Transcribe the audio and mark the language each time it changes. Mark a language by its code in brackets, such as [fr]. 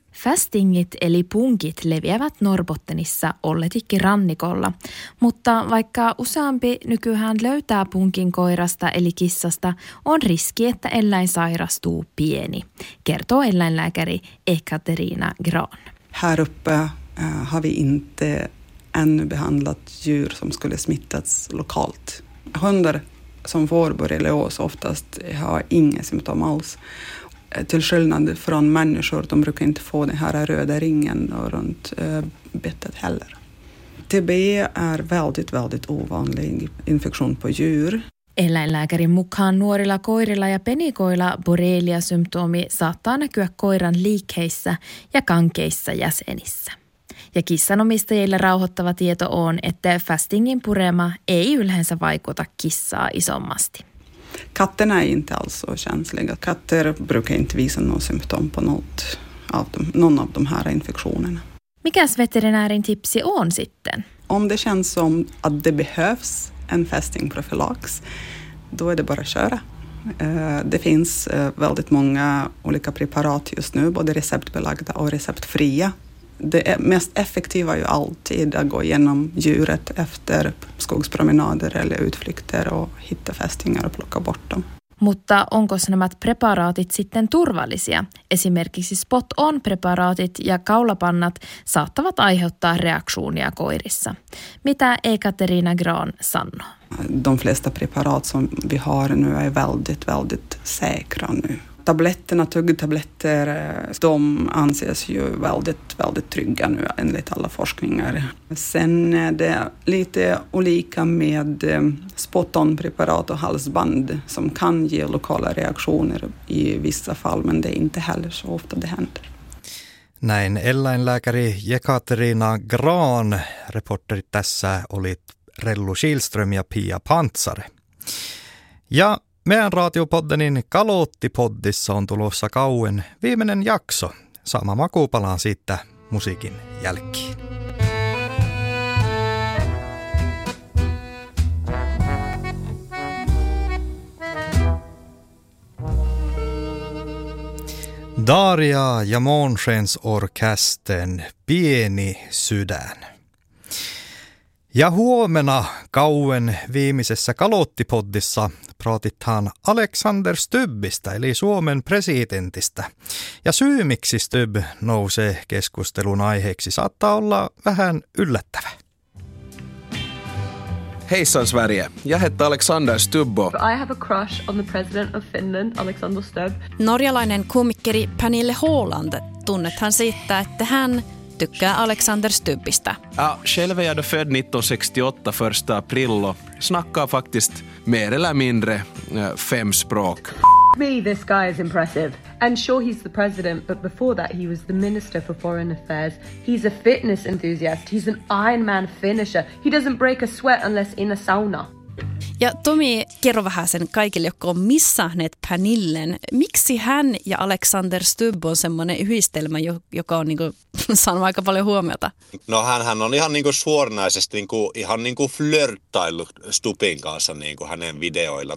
[fi] Fästingit eli punkit leviävät Norrbottenissa Olletikki rannikolla, mutta vaikka useampi nykyään löytää punkin koirasta eli kissasta, on riski, että eläin sairastuu pieni, kertoo eläinlääkäri Ekaterina Gran. [sv] Här uppe har vi inte ännu behandlat djur som skulle smittats lokalt. Hundar som får borrelios oftast har inga symptom alls. Till skillnad från människor, de brukar inte få den här röda ringen runt bettet heller. TB är väldigt, väldigt ovanlig infektion på djur. [fi] Eläinlääkärin mukaan nuorilla koirilla ja penikoilla borreliasymptomi saattaa näkyä koiran liikkeissä ja kankeissa jäsenissä. Ja kissanomistajille rauhoittava tieto on, että fastingin purema ei yleensä vaikuta kissaa isommasti. [sv] Katterna är inte alls så känsliga. Katter brukar inte visa någon symptom på någon av de här infektionerna. Vilkas veterinärin tips i ån sitter? Om det känns som att det behövs en fästingprofylax, då är det bara att köra. Det finns väldigt många olika preparat just nu, både receptbelagda och receptfria. Det mest effektiva är ju alltid att gå igenom djuret efter skogspromenader eller utflykter och hitta fästingar och plocka bort dem. [fi] Mutta onko nämä preparaatit sitten turvallisia? Esimerkiksi spot-on-preparaatit ja kaulapannat saattavat aiheuttaa reaktioner koirissa. Mitä Ekaterina Gran sanoo? [sv] De flesta preparat som vi har nu är väldigt, väldigt säkra nu. Tabletterna, tuggtabletter, de anses ju väldigt, väldigt trygga nu enligt alla forskningar. Sen är det lite olika med spot-on-preparat och halsband som kan ge lokala reaktioner i vissa fall, men det är inte heller så ofta det händer. [fi] Näin eläinlääkäri Ekaterina Gran, reporter tässä oli Rellu Kihlström ja Pia Pantsare. Ja meidän radiopoddenin Kalottipoddissa on tulossa kauan viimeinen jakso. Sama makuupalaan siitä musiikin jälkeen. Daria ja Månskens orkestern Pieni sydän. Ja huomenna kauan viimeisessä Kalottipoddissa pratitaan Alexander Stubbista, eli Suomen presidentistä. Ja syy, miksi Stubb nousee keskustelun aiheeksi, saattaa olla vähän yllättävä. [sv] Hejsan Sverige, jag heter Alexander Stubbo. [en] I have a crush on the president of Finland, Alexander Stubb. [fi] Norjalainen komikeri Pernille Haaland tunnetaan siitä, että hän tykkää Alexander Stubbista. [sv] Ja själv är jag då född 1968, 1 april, och snackar faktiskt mer eller mindre fem språk. [en] Me, this guy is impressive. And sure, he's the president, but before that he was the minister for foreign affairs. He's a fitness enthusiast. He's an Ironman finisher. He doesn't break a sweat unless in a sauna. [fi] Ja Tomi, kerro vähän sen kaikille, jotka on missahneet Pernillen. Miksi hän ja Alexander Stubb on semmoinen yhdistelmä, joka on niinku saanut aika paljon huomiota? No hän on ihan niinku suoranaisesti niinku, ihan niinku flörttaillut Stubbin kanssa niinku hänen videoilla.